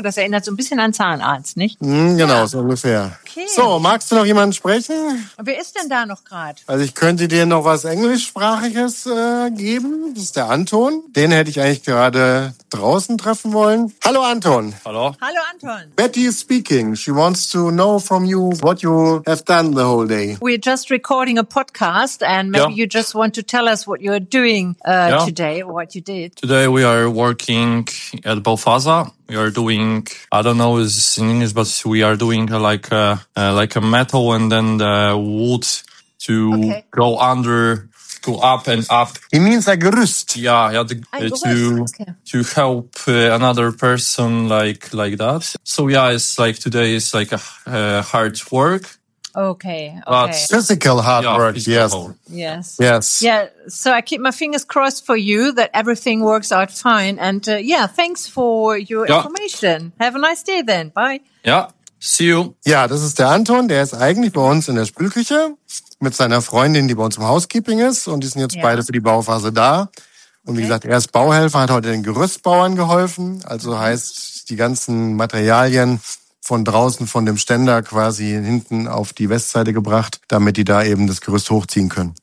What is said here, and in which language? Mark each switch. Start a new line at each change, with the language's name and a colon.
German: Das erinnert so ein bisschen an Zahnarzt, nicht? Genau, ja. So ungefähr. Okay. So, magst du noch jemanden sprechen? Wer ist denn da noch gerade? Also ich könnte dir noch was Englischsprachiges geben. Das ist der Anton. Den hätte ich eigentlich gerade draußen treffen wollen. Hallo, Anton. Hallo. Hallo, Anton.
English: Betty is speaking. She wants to know from you what you have done the whole day. We're just recording a podcast and maybe you just want to tell us what you're doing today, what you did. Today we are working at Balfaza. We are doing, I don't know if it's in English, but we are doing like a metal and then the wood to go under, go up and up. It means a gerüst. Yeah, to help another person like that. So yeah, it's like today is like a hard work. Okay. But physical hard work, physical. Yes. Yes. Yeah, so I keep my fingers crossed for you that everything works out fine. And thanks for your information. Have a nice day then. Bye. Yeah, see you.
German: Ja, das ist der Anton, der ist eigentlich bei uns in der Spülküche mit seiner Freundin, die bei uns im Housekeeping ist. Und die sind jetzt beide für die Bauphase da. Und wie gesagt, er ist Bauhelfer, hat heute den Gerüstbauern geholfen. Also heißt, die ganzen Materialien von draußen, von dem Ständer quasi hinten auf die Westseite gebracht, damit die da eben das Gerüst hochziehen können.